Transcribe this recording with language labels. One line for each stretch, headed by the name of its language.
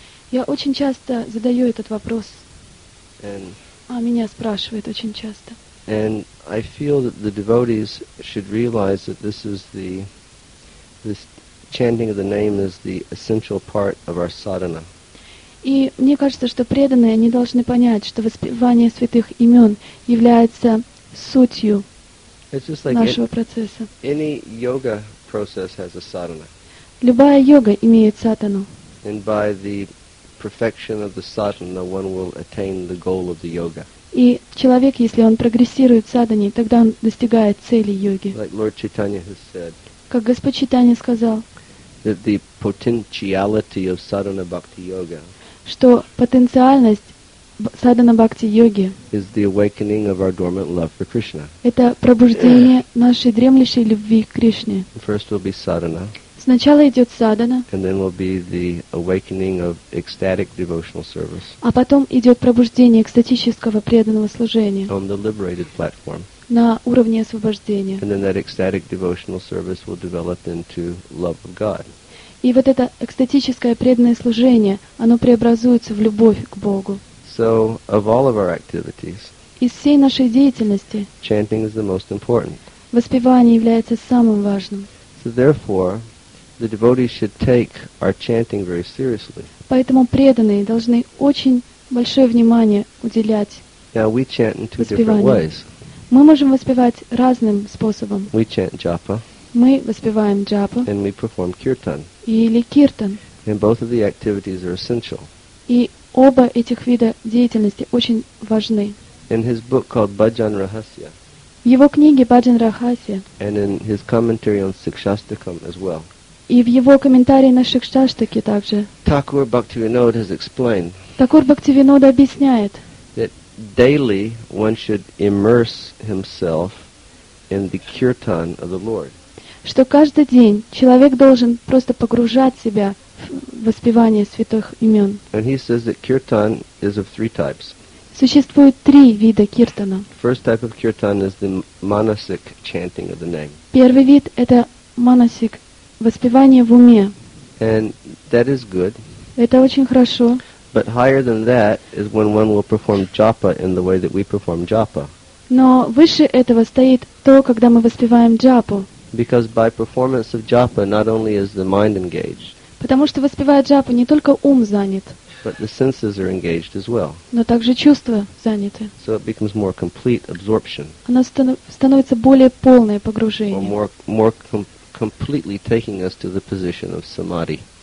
Russian: Я очень часто задаю этот вопрос.
English: And
Russian: а меня спрашивают очень часто.
English: And I feel that the devotees should realize that this is the this chanting of the name is the essential part of our sadhana.
Russian: И мне кажется, что преданные они должны понять, что воспевание святых имен является сутью нашего процесса.
English: Any yoga process has a sadhana.
Russian: Любая йога имеет сатану.
English: And by the perfection of the sadhana, one will attain the goal of the yoga.
Russian: И человек, если он прогрессирует в садхане, тогда он достигает цели йоги.
English: Like Lord Chaitanya has said.
Russian: Как Господь Чайтанья сказал.
English: That the potentiality of sadhana bhakti yoga.
Russian: Что потенциальность садхана бхакти йоги.
English: Is the awakening of our dormant love for Krishna.
Russian: Это пробуждение нашей дремлющей любви к Кришне.
English: First will be sadhana.
Russian: Сначала идет садхана,
English: and then will be the awakening of ecstatic devotional service.
Russian: А потом идет пробуждение экстатического преданного служения
English: on the liberated platform.
Russian: На уровне освобождения.
English: And then that ecstatic devotional service will develop into love of God.
Russian: И вот это экстатическое преданное служение, оно преобразуется в любовь к Богу.
English: So, of all of our activities,
Russian: из всей нашей деятельности,
English: chanting is the most important.
Russian: Воспевание является самым важным.
English: So, therefore, the devotees should take our chanting very seriously.
Russian: Поэтому преданные должны очень большое внимание уделять
English: Now we chant in two different ways.
Russian: Мы можем воспевать разным способом.
English: We chant japa.
Russian: Мы воспеваем джапа.
English: And we perform kirtan.
Russian: Или киртан.
English: And both of the activities are essential.
Russian: И оба этих вида деятельности очень важны.
English: In his book called Bhajan Rahasya.
Russian: В его книге Bhajan Rahasya.
English: And in his commentary on Sikshastakam as well.
Russian: И в его комментарии на Шикшаштаке также
English: Thakur Bhaktivinoda has explained,
Russian: Thakur Bhaktivinoda объясняет,
English: that daily one should immerse himself in the kirtan of the Lord.
Russian: Что каждый день человек должен просто погружать себя в воспевание святых имен.
English: And he says that kirtan is of three types.
Russian: Существует три вида киртана.
English: First type of kirtan is the manasik chanting of the name.
Russian: Первый вид – это манасик. Воспевание в уме.
English: And that is good.
Russian: Это очень хорошо.
English: But higher than that is when one will perform japa in the way that we perform japa.
Russian: Но выше этого стоит то, когда мы воспеваем джапу.
English: Because by performance of japa, not only is the mind engaged.
Russian: Потому что воспевая джапу, не только ум занят.
English: But the senses are engaged as well.
Russian: Но также чувства заняты.
English: So it becomes more complete absorption.
Russian: Оно становится более полное погружение.
English: Completely taking us to the position of samadhi.